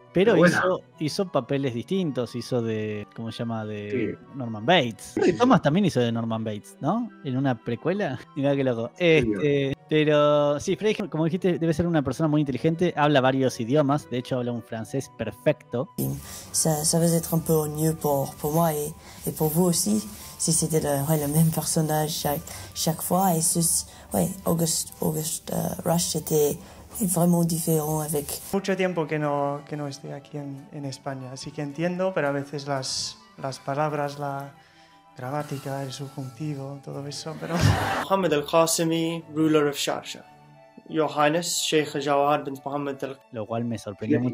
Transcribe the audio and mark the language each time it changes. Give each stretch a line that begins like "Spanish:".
Spanish: Pero hizo papeles distintos, hizo de, ¿cómo se llama? De sí. Norman Bates. Sí. Thomas también hizo de Norman Bates, ¿no? En una precuela, mirá qué loco. Pero sí, Freddie, como dijiste, debe ser una persona muy inteligente, habla varios idiomas, de hecho habla un francés perfecto.
French: Ça va être un peu ennuyeux pour moi et pour vous aussi, si c'était le même personnage chaque fois. Et ceci, ouais, August Rush était vraiment différent avec...
Spanish: Mucho tiempo que no estoy aquí en España, así que entiendo, pero a veces las palabras, la, gramática, el subjuntivo, todo eso, pero...
English: Muhammad al-Qasimi, ruler of Sharsha. Your Highness, Sheikh Jawahar bin Muhammad al...
Spanish: Lo cual me sorprendió mucho.